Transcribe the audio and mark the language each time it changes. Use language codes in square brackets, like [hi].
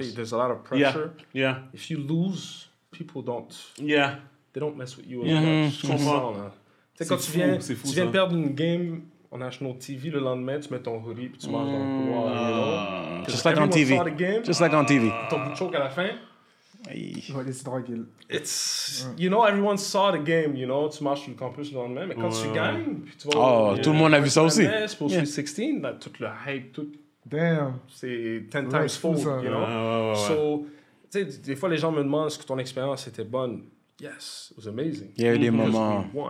[fr] T'sais, [en] there's a lot of pressure. Yeah. If you lose, people don't. Yeah. They don't mess with you as much. Mm-hmm. [fr] Tu sais, quand tu viens, fou, tu viens perdre une game [en] on national TV, [fr] le lendemain, tu mets ton hoodie puis tu manges un couloir. [en] Just like on TV. Game, just like on TV. [fr] Ton bout de choc à la fin. Oui, c'est tranquille. [en] It's, you know, everyone saw the game, you know. [fr] Tu marches sur le campus le lendemain, mais quand tu gagnes, puis tu vois... Oh, tout le monde a vu ça aussi. C'est pour Sweet 16, là, tout le hype, tout... [en] Damn. C'est 10 times fold, you know. [fr] So, tu sais, des fois, les gens me demandent est-ce que ton expérience était bonne. [en] Yes, it was amazing. [fr] Il y a eu des moments.